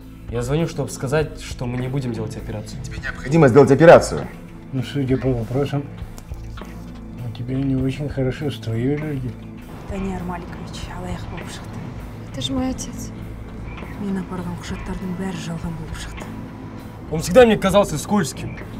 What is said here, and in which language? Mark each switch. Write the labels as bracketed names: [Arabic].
[Russian] Я звоню, чтобы сказать, что мы не будем делать операцию. Тебе необходимо сделать операцию. Ну, судя по вопросам, у тебя не очень хорошо с твоей людьми. Данияр Маликович, [Kazakh] алаях болып шықты. [Russian] Это же мой отец. [Kazakh] Мен апарған құжаттардың бәрі жалған болып шықты. [Russian] Он всегда мне казался скользким.